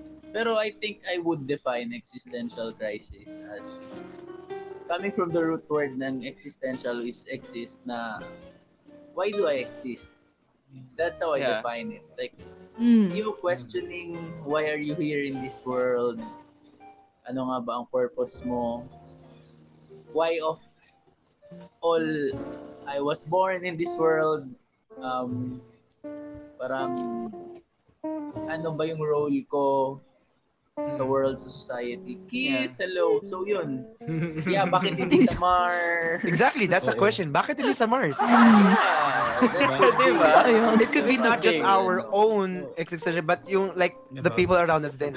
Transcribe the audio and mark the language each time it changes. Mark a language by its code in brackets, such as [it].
[en] Pero I think I would define existential crisis as coming from the root word [tl] ng existential is exist na [en] why do I exist? That's how I define it. Like, you questioning why are you here in this world? [tl] Ano nga ba ang purpose mo? [en] Why of all I was born in this world? [tl] Parang ano ba yung role ko sa world, sa society? Kit, hello. So yun. Yeah, bakit hindi sa Mars? [en] Exactly, that's a question. [tl] Bakit hindi sa Mars? Diba? [en] It could be not just our own existential, but yung like the people around us din.